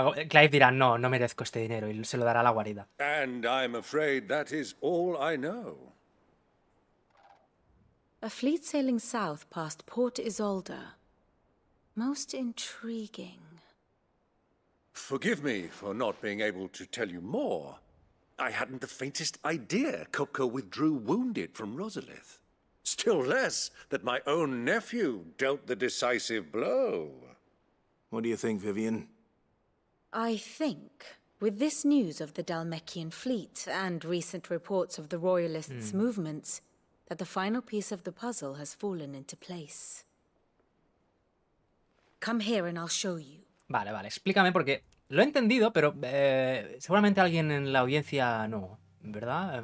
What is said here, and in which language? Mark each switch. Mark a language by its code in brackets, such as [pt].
[es] Clive dirá, no merezco este dinero y se lo dará a la guarida. [en] And I'm afraid that is all I know. A fleet sailing south past Port Isolde. Most intriguing. Forgive me for not being able to tell you more. I hadn't the faintest idea Kopko withdrew wounded from Rosalith. Still less that my own nephew dealt the decisive blow. What do you think, Vivian? I think, with this news of the Dalmechian fleet and recent reports of the Royalists' movements, that the final piece of the puzzle has fallen into place. Come here and I'll show you. [es] Vale, vale, explícame porque lo he entendido, pero seguramente alguien en la audiencia no, ¿verdad?